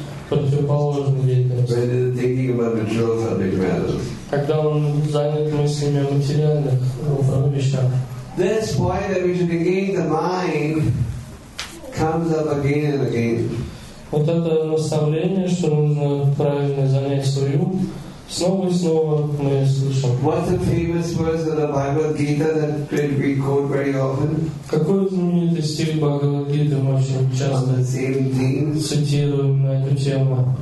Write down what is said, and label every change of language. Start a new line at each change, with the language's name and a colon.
English: When it is thinking about material subject matters.
Russian: Когда он занят мыслями о материальных вещах.
English: This point that we should engage the mind comes up again and again.
Russian: Вот это наставление, что нужно правильно занять свой ум, снова и снова мы слышим.
English: What's a famous verse of the Bible Gita that we quote very often?
Russian: Какой знаменитый стих Бхагавад Гиты мы очень часто цитируем на эту тему?